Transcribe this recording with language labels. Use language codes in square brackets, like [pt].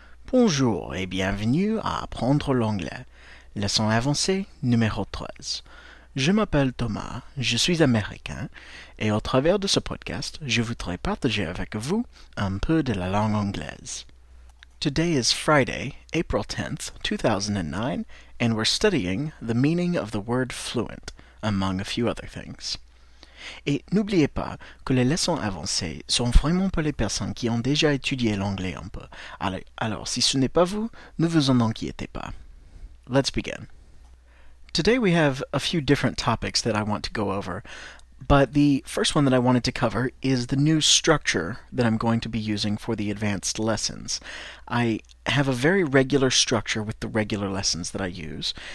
[fr] Bonjour et bienvenue à Apprendre l'anglais, leçon avancée numéro 13. Je m'appelle Thomas, je suis américain, et au travers de ce podcast, je voudrais partager avec vous un peu de la langue anglaise. [en] Today is Friday, April 10th, 2009, and we're studying the meaning of the word fluent, among a few other things. [fr] Et n'oubliez pas que les leçons avancées sont vraiment pour les personnes qui ont déjà étudié l'anglais un peu. Alors, si ce n'est pas vous, ne vous en inquiétez pas. [en] Let's begin. Today we have a few different topics that I want to go over, but the first one that I wanted to cover is the new structure that I'm going to be using for the advanced lessons. I have a very regular structure with the regular lessons that I use.